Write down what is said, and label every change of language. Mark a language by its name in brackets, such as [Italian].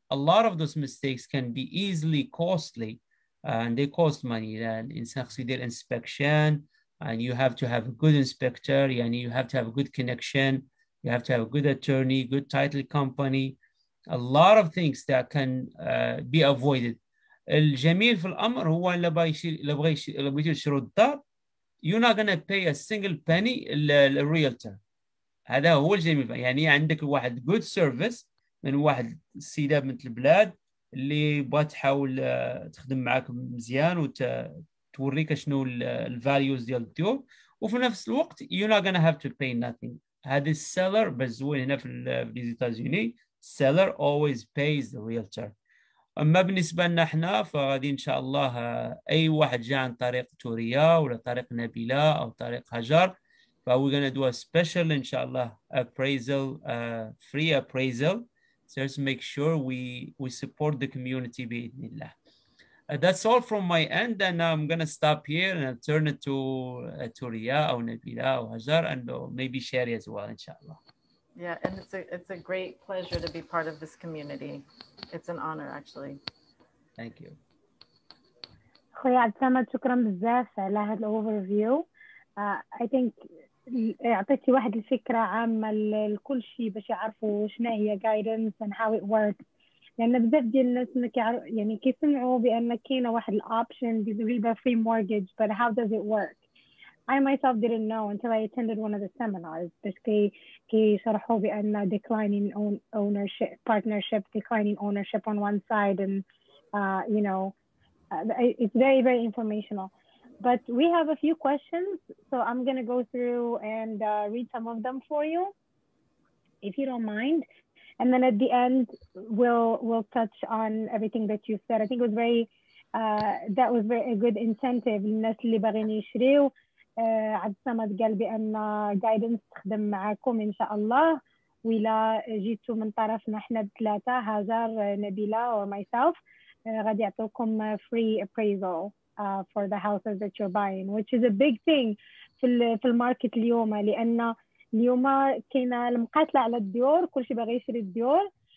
[English] A lot of those mistakes can be easily costly and they cost money. [Arabic] الإنسان خصو يدير [English] inspection and you have to have a good inspector, يعني you have to have a good connection, you have to have a good attorney, good title company. A lot of things that can be avoided. [Arabic] الجميل في الأمر هو لو بغيتي تشرو الدار [English] you're not gonna pay a single penny [Arabic] للريالتر. هذا هو الجميل، يعني عندك واحد good service من واحد السيدة من البلاد اللي بغات تحاول تخدم معاك مزيان وتوريك شنو الفاليوز ديال الديور، وفي نفس الوقت [English] you're not gonna have to pay nothing. [Arabic] هذه السيلر بزوين هنا في ليزيتازيوني [English] seller always pays the realtor. [Arabic] أما بالنسبة لنا إحنا فغادي إن شاء الله أي واحد جاء عن طريق توريا ولا طريق نبيلة أو طريق هجر ف [English] we're gonna do a special [Arabic] إن شاء الله [English] appraisal free appraisal so to make sure we support the community [Arabic] بإذن الله. [English] That's all from my end and I'm gonna stop here and I'll turn it to توريا أو نبيلة أو هجر and maybe Sherry as well إن شاء الله. Yeah, and it's a great pleasure to be part of this community. It's an honor, actually. Thank you. [Arabic] خويا عبدالسلام شكرا بزاف على هذا الاوفرفيو. [English] I think [Arabic] عطيتي واحد الفكره عامه لكل شيء باش يعرفوا شنو هي جايدنس [English] and how it works. [Arabic] لان بزاف ديال الناس يعني كيسمعوا بان كاينه واحد الاوبشن ديال فري مورجج [English] but how does it work. I myself didn't know until I attended one of the seminars. Basically, he [Arabic] شرحوا بأن [English] declining ownership, partnership, declining ownership on one side, and you know, it's very, very informational. But we have a few questions, so I'm gonna go through and read some of them for you, if you don't mind. And then at the end, we'll touch on everything that you said. I think it was very that was very a good incentive. [Arabic] الناس اللي بغين يشريو عبد السمد قال بأن guidance تخدم معكم إن شاء الله ولا جيتوا من طرفنا إحنا بثلاثة هزار نبيلة [English] or myself [Arabic] غادي يعطوكم free appraisal [English] for the houses that you're buying which is a big thing [Arabic] في الماركت اليوم لأن اليوم كنا المقاتلة على الديور كل شيء بغي يشري الديور